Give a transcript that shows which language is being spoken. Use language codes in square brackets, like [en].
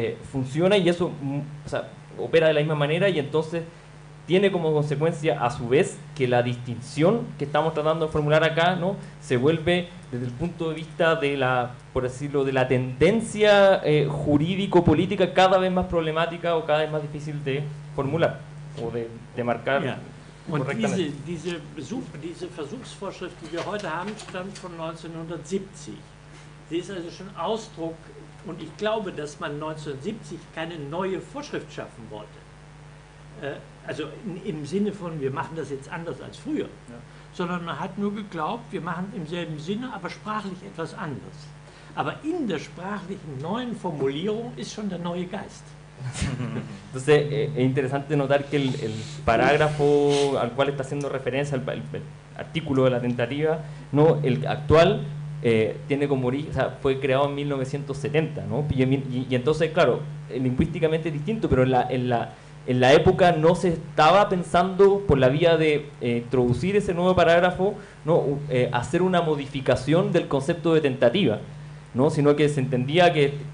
[es] funciona y eso opera de la misma manera, y entonces tiene como consecuencia, a su vez, que la distinción que estamos tratando de formular acá, ¿no?, se vuelve, desde el punto de vista de la, por decirlo, de la tendencia jurídico-política, cada vez más problemática o cada vez más difícil de formular o de marcar correctamente. [de] Y diese Versuchsvorschrift, die wir heute haben, stammt von 1970. Sie ist also schon Ausdruck, und ich glaube, dass man 1970 keine neue Vorschrift schaffen wollte. Also im Sinne von, wir machen das jetzt anders als früher, ja, sondern man hat nur geglaubt, wir machen im selben Sinne, aber sprachlich etwas anders. Aber in der sprachlichen neuen Formulierung ist schon der neue Geist. [es] Entonces, es interesante notar que el parágrafo al cual está haciendo referencia, el artículo de la tentativa, ¿no?, el actual, tiene como origen, o sea, fue creado en 1970, ¿no? Y entonces, claro, lingüísticamente es distinto, pero en la época no se estaba pensando por la vía de introducir ese nuevo parágrafo, ¿no?, hacer una modificación del concepto de tentativa, ¿no?, sino que se entendía que